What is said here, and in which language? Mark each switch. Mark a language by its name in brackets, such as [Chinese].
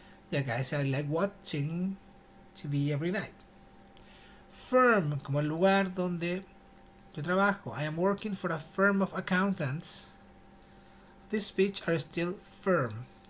[Spanish] Y acá dice, [English] I like watching TV every night. [Spanish] Firm, como el lugar donde yo trabajo. [English] I am working for a firm of accountants. This speech are still firm.